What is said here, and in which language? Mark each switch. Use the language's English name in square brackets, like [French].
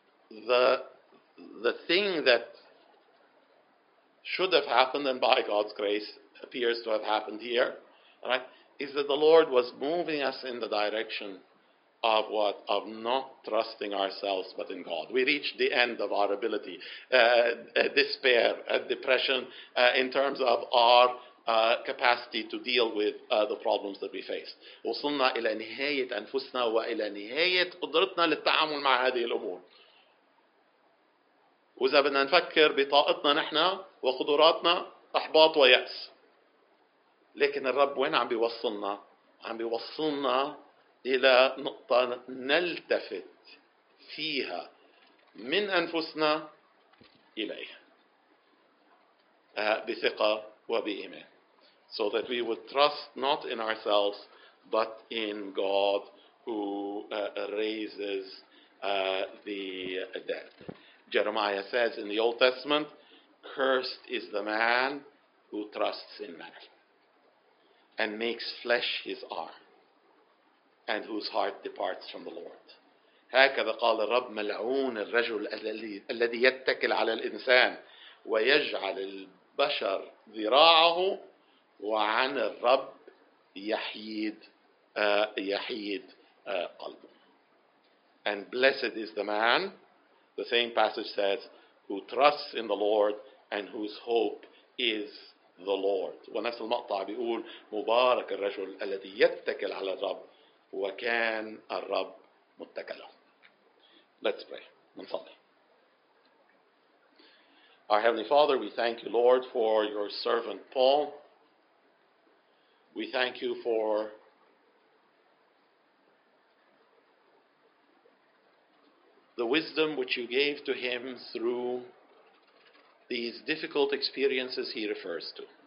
[English] The thing that should have happened, and by God's grace appears to have happened here, right, is that the Lord was moving us in the direction of what? Of not trusting ourselves but in God. We reached the end of our ability. Despair, depression, in terms of our capacity to deal with the problems that we face. [Arabic] وصلنا إلى نهاية أنفسنا وإلى نهاية قدرتنا للتعامل مع هذه الأمور. وإذا بدنا نفكر بطاقتنا نحن وقدراتنا أحباط ويأس. لكن الرب وين عم بيوصلنا؟ عم بيوصلنا إلى نقطة نلتفت فيها من أنفسنا إليه بثقة وبإيمان. [English] So that we would trust not in ourselves, but in God who raises the dead. Jeremiah says in the Old Testament, cursed is the man who trusts in man and makes flesh his arm and whose heart departs from the Lord. [Arabic] هكذا قال الرب ملعون الرجل الذي يتكل على الإنسان ويجعل البشر ذراعه وعن الرب يحيد قلبه. [English] And blessed is the man, the same passage says, who trusts in the Lord and whose hope is the Lord. [Arabic] ونفس المقطع بيقول مبارك الرجل الذي يتكل على الرب وكان الرب متكلا. [English] Let's pray. [Arabic] نصلي. [English] Our Heavenly Father, we thank you, Lord, for your servant Paul. We thank you for the wisdom which you gave to him through these difficult experiences he refers to.